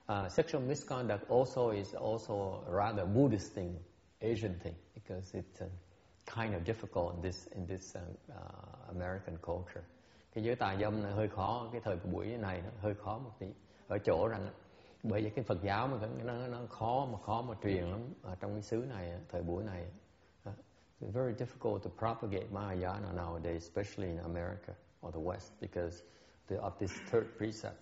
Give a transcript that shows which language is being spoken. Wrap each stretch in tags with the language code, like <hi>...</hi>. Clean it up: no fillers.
<en>Sexual misconduct is also a rather Buddhist thing, Asian thing, because it's kind of difficult in this American culture.</en> <vi>Cái giới tà dâm này hơi khó, cái thời buổi này hơi khó một tí ở chỗ rằng bởi vì cái Phật giáo mà nó khó mà truyền lắm trong cái xứ này thời buổi này.</vi> <en>It's very difficult to propagate Mahayana nowadays, especially in America or the West, because of this third precept.</en>